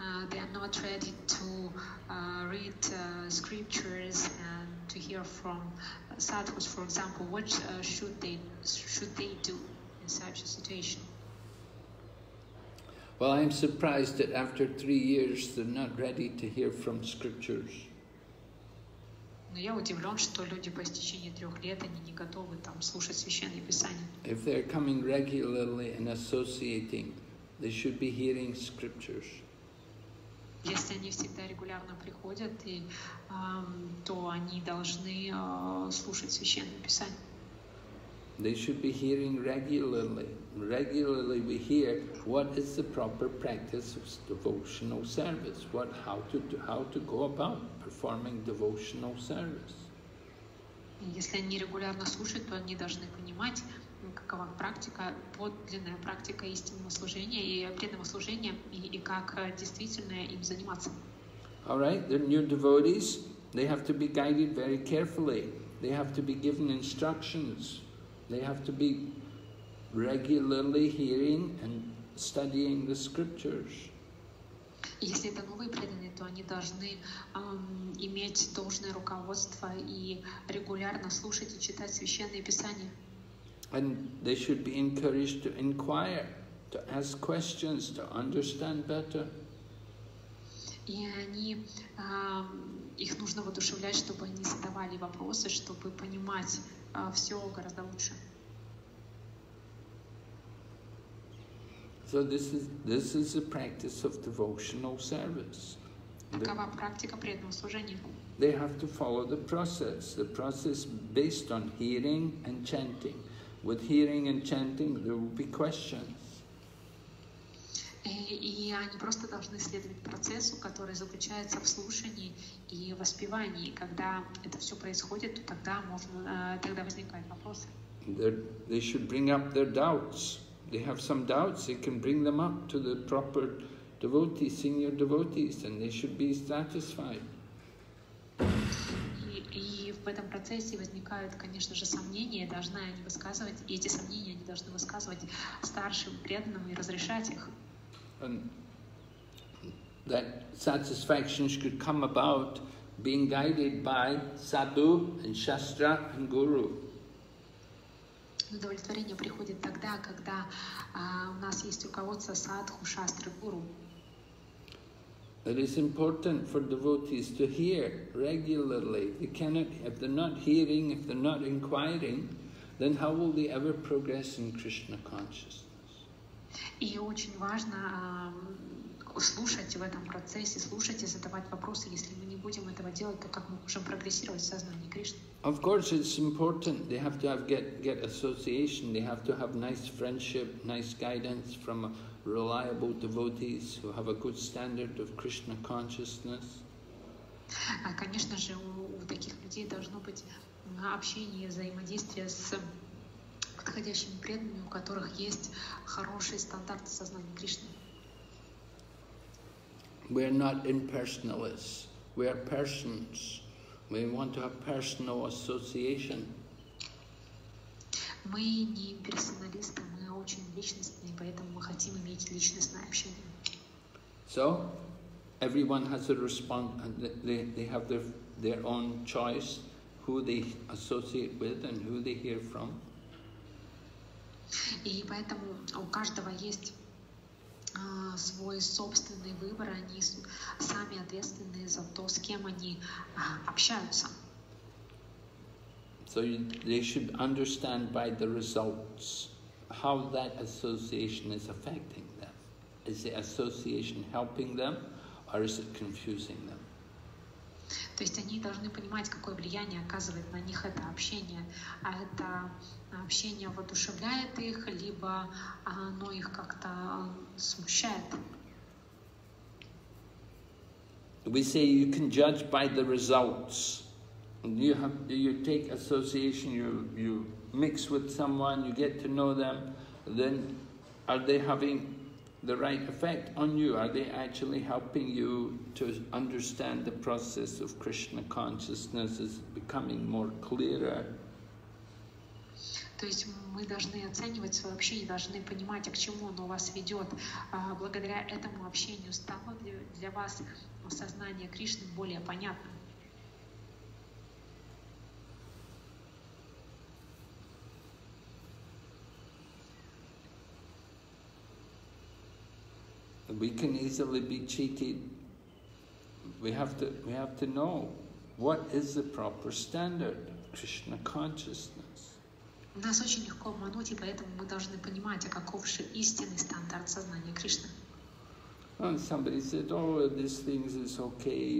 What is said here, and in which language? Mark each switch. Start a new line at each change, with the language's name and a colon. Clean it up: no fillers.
English: They are not ready to read scriptures and to hear from sadhus, for example. What should they do in such a situation? Well, I'm surprised that after 3 years they're not ready to hear from scriptures.
Russian: Но я удивлен, что люди по истечении 3 лет они не готовы там слушать священные писания.
English: If they're coming regularly and associating, they should be hearing scriptures.
Russian: Если они всегда регулярно приходят, и то они должны слушать священные писания.
English: They should be hearing regularly. Regularly we hear what is the proper practice of devotional service, what how to go about performing devotional service.
Russian: Если они регулярно слушают, то они должны понимать, какова практика, подлинная практика истинного служения и преданного служения, и как действительно им заниматься.
English: All right, the new devotees, they have to be guided very carefully. They have to be given instructions. They have to be regularly hearing and studying the scriptures.
Russian: Если это новые преданные, то они должны иметь должное руководство и регулярно слушать и читать священные писания.
English: And they should be encouraged to inquire, to ask questions, to understand better.
Russian: И они их нужно воодушевлять, чтобы они задавали вопросы, чтобы понимать все гораздо лучше.
English: So this is the practice of devotional service.
Russian: Такова практика преданного служения.
English: They have to follow the process based on hearing and chanting. With hearing and chanting, there will be questions.
Russian: И они просто должны следовать процессу, который заключается в слушании и воспевании. Когда это все происходит, то тогда возникают вопросы.
English: They should bring up their doubts. They have some doubts, they can bring them up to the proper devotees, senior devotees, and they should be satisfied.
Russian: И в этом процессе возникают, конечно же, сомнения, должны они высказывать, и эти сомнения они должны высказывать старшим преданным и разрешать их.
English: And that satisfaction should come about being guided by sadhu and shastra and guru.
Russian: Удовлетворение приходит тогда, когда у нас есть руководство садху, шастры, гуру.
English: It is important for devotees to hear regularly. They cannot, if they're not hearing, if they're not inquiring, then how will they ever progress in Krishna consciousness?
Russian: И очень важно слушать в этом процессе, слушать и задавать вопросы. Если мы не будем этого делать, то как мы можем прогрессировать в сознании Кришны?
English: Of course, it's important. They have to have get association. They have to have nice friendship, nice guidance from reliable devotees who have a good standard of Krishna consciousness.
Russian: Конечно же, у таких людей должно быть общение, взаимодействие с подходящими преданными, у которых есть хороший стандарт сознания Кришны.
English: We are not impersonalists. We are persons. We want to have personal association.
Russian: Мы не персоналисты, мы очень личностные, поэтому мы хотим иметь личностное общение.
English: So, everyone has a response, they have their own choice, who they associate with and who they hear from.
Russian: И поэтому у каждого есть свой собственный выбор, они сами ответственны за то, с кем они общаются.
English: So they should understand by the results how that association is affecting them. Is the association helping them or is it confusing them?
Russian: То есть они должны понимать, какое влияние оказывает на них это общение. А это общение воодушевляет их, либо оно их как-то смущает.
English: We say you can judge by the results. You take association, you mix with someone, you get to know them, then are they having the right effect on you? Are they actually helping you to understand the process of Krishna consciousness? Is becoming more clearer?
Russian: То есть мы должны оценивать свое общение, должны понимать, к чему оно вас ведет. Благодаря этому общению стало для вас сознание Кришны более понятным.
English: We can easily be cheated. We have to know what is the proper standard of Krishna consciousness.
Russian: Нас очень легко обмануть, и поэтому мы должны понимать, а каков же истинный стандарт сознания Кришны.
English: And somebody said, "Oh, these things is okay.